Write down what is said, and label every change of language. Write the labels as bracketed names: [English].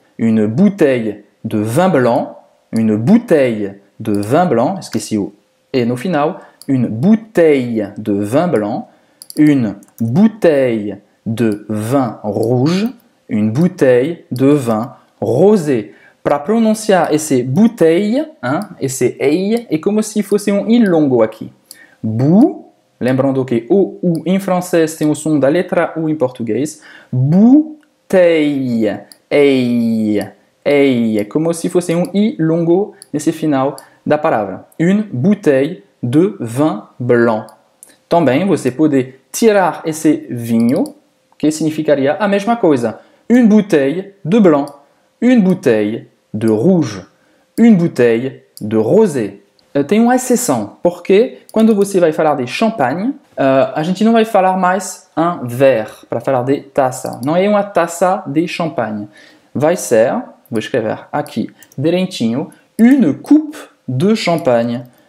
[French] Une bouteille de vin blanc. Une bouteille de vin blanc. [Portuguese] Esqueci o E no final. [French] Une bouteille de vin blanc. Une bouteille de vin rouge. Une bouteille de vin rosé. [Portuguese] Para pronunciar esse bouteille, hein, esse EI, é como se fosse um I longo aqui. Bu, lembrando que o U em francês tem o som da letra U em português. Bouteille, EI, EI. É como se fosse um I longo nesse final da palavra. [French] Une bouteille de vin blanc. [Portuguese] Também você pode tirar esse vinho, que significaria a mesma coisa. [French] Une bouteille de blanc. Une bouteille de rouge, une bouteille de rosé. [Portuguese] Tem uma exceção, porque quando você vai falar de champagne, a gente não vai falar mais un verre, para falar de taça. Não é uma taça de champagne. Vai ser, vou escrever aqui, direitinho, [French] une coupe de champagne.